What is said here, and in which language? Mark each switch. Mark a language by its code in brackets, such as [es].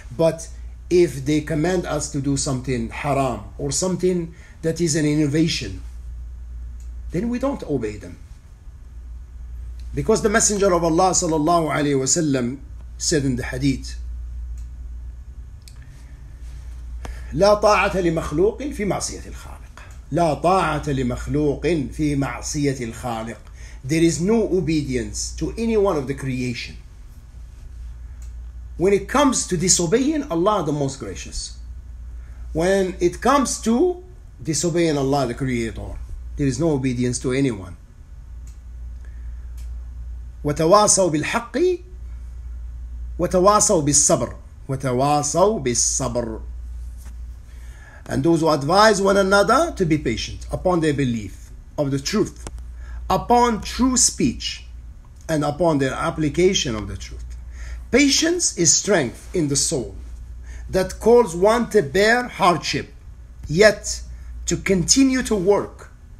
[en] But if they command us to do something haram or something that is an innovation, then we don't obey them. Because the Messenger of Allah sallallahu alayhi wa sallam said in the hadith, [ar] لا طاعة لمخلوق في معصية الخالق. لا طاعة لمخلوق في معصية الخالق. [en] There is no obedience to any one of the creation. When it comes to disobeying Allah, the Most Gracious. When it comes to disobeying Allah, the Creator, there is no obedience to anyone. [ar] وتواصوا بالحق وتواصوا بالصبر وتواصوا بالصبر. [en] And those who advise one another to be patient upon their belief of the truth, upon true speech, and upon their application of the truth. Patience is strength in the soul that calls one to bear hardship, yet to continue to work.